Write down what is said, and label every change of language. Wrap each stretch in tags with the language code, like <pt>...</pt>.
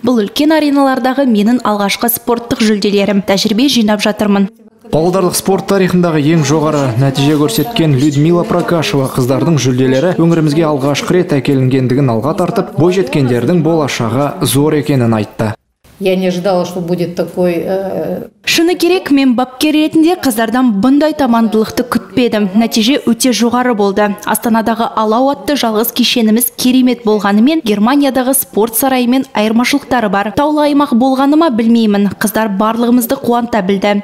<kk>Бұл үлкен ареналардағы менің алғашқы спорттық жүлделерім. Тәжірибе жинап жатырмын. Павлодарлық спорт тарихындағы ең жоғары нәтиже көрсеткен Людмила Прокашева қыздардың жүлделері өңірімізге алғашқы рет әкелінгендігін алға тартып, бойжеткендердің болашағы зор екенін айтты.</kk> <ru>Я не ожидала, что будет такой...</ru> <kk>Шыны керек, мен бапкер ретінде қыздардан бұндай тамандылықты күтпедім. Нәтиже өте жоғары болды. Астанадағы Алау атты жалғыз кешеніміз керемет болғанымен, Германиядағы спорт сарайымен айырмашылықтары бар. Таулы аймақ болғаныма білмеймін. Қыздар барлығымызды қуанта білді.</kk>